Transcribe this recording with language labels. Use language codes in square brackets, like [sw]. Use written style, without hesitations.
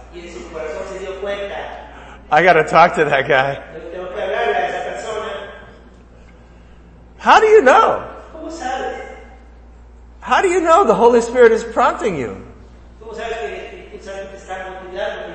[es] y en su corazón se dio cuenta, [en] I got to talk to that guy. [es] Yo tengo que hablarle a esa persona. [en] How do you know? [es] ¿Cómo sabes? [en] How do you know the Holy Spirit is prompting you? [es] ¿Cómo sabes que el Santo está motivando?